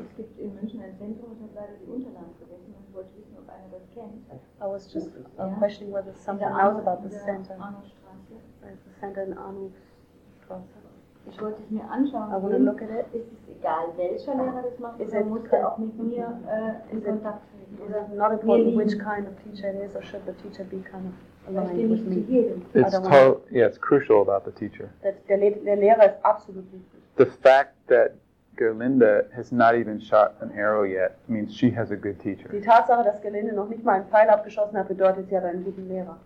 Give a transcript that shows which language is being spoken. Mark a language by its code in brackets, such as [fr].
[de] Es gibt in München ein Zentrum, ich habe leider die Unterlagen vergessen und wollte wissen, ob einer das kennt. [en] I was just questioning whether someone knows about the center. The center in Arnoldstraße. [de] Ich wollte es mir anschauen. [en] I want to look at it. [de] Ist es egal, welcher Lehrer das macht, oder muss er auch mit mir in Kontakt treten? [en] Is it not important which kind of teacher it is, or should the teacher be kind of... It's crucial about the teacher. [de] Der Lehrer ist absolut wichtig. [en] The fact that Gerlinde has not even shot an arrow yet means she has a good teacher. [de] Die Tatsache, dass Gerlinde noch nicht mal einen Pfeil abgeschossen hat, bedeutet, sie hat einen guten Lehrer.